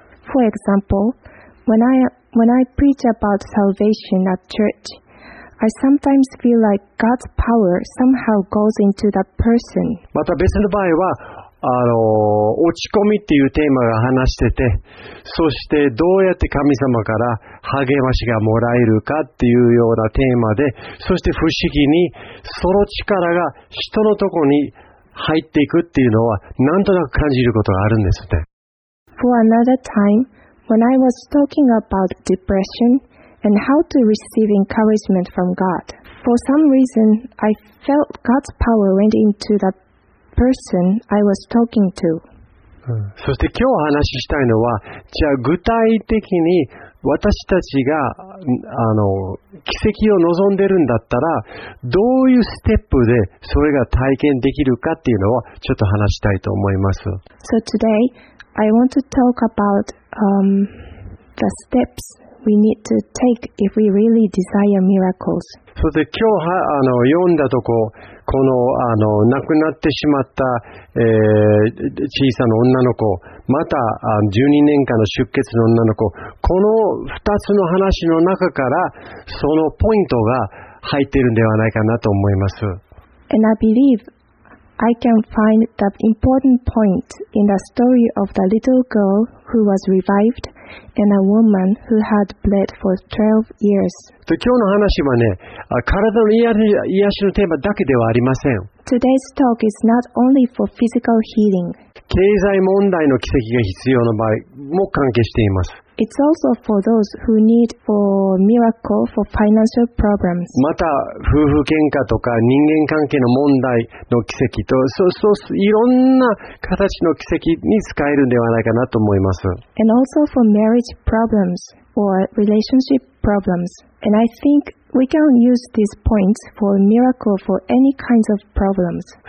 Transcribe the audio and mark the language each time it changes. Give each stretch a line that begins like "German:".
English: For example, When I preach about salvation at church, I sometimes feel like God's power somehow goes into that person.
Japanese: また別の場合は、落ち込みっていうテーマが話してて、そしてどうやって神様から励ましがもらえるかっていうようなテーマで、そして不思議にその力が人のところに入っていくっていうのはなんとなく感じることがあるんですね。
English: For another time,When I was talking about depression and how to receive encouragement from God, for some reason, I felt God's power went into that person I was talking to.、うん、
Japanese: そして今日話したいのは、じゃあ具体的に私たちが奇跡を望んでるんだったら、どういうステップでそれが体験できるかっていうのをちょっと話したいと思います。
English: So today,I want to talk about the steps we need to take if we really desire miracles.
Japanese: そして今日読んだとこ、この亡くなってしまった、小さな女の子、また12年間の出血の女の子、この2つの話の中からそのポイントが入っているのではないかなと思います。
English: And I believe. I can find the important point in the story of the little girl who was revived and a woman who had bled for 12 years.
Japanese: 今日の話はね、体の癒しのテーマだけではありません。
English: Today's talk is not only for physical healing.
Japanese: 経済問題の奇跡が必要な場合も関係しています。
English: It's also for those who need for miracle for financial problems.
Japanese: また夫婦喧嘩とか人間関係の問題の奇跡と、そういろんな形の奇跡に使えるんではないかなと思います。
English: And also for marriage problems or relationship problems. And I think we can use these points for miracle for any kinds of problems.